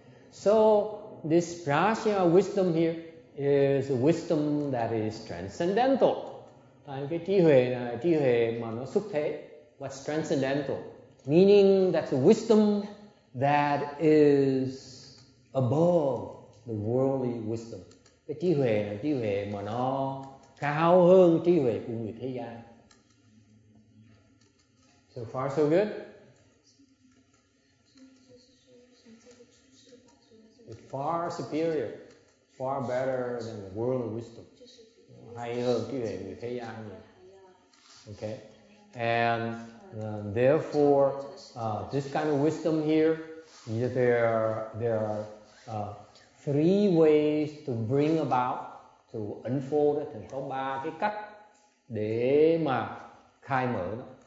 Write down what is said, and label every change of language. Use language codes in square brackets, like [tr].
[en] So this prajna wisdom here is a wisdom that is transcendental. [vi] Tại cái trí huệ này, trí huệ mà nó xuất thế. [en] What's transcendental? Meaning that's a wisdom that is above the worldly wisdom. [vi] Cái trí huệ là trí huệ mà nó cao hơn trí huệ của người thế gian. [en] So far so good. It's far superior, far better than the world of wisdom. [vi] Hay hơn trí huệ người thế gian nhiều. [en] Okay. And therefore, this kind of wisdom here, there are three ways to bring about [vi] Thì unfold thì có ba cái cách để mà khai mở nó.